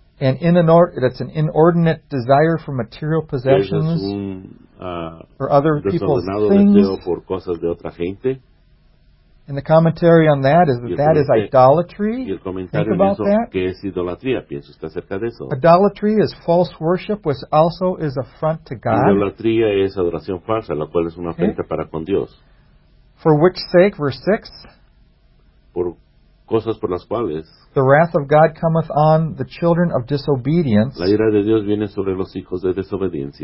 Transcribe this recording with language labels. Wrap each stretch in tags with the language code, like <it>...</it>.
<en>And that's an inordinate desire for material possessions. Or other people's things.</en> <es>Deseo por cosas de otra gente.</es> <en>And the commentary on that is that is idolatry.</en> <es>Y el comentario</es> <en>Think about that.</en> <es>Que es idolatría. Pienso está cerca de eso.</es> <en>Idolatry is false worship, which also is affront to God.</en> <es>Idolatría es adoración falsa, la cual es una afrenta okay. para con Dios.</es> <en>For which sake, verse 6.</en> <es>Por cosas por las cuales.</es> <en>The wrath of God cometh on the children of disobedience.</en> <es>La ira de Dios viene sobre los hijos de desobediencia.</es>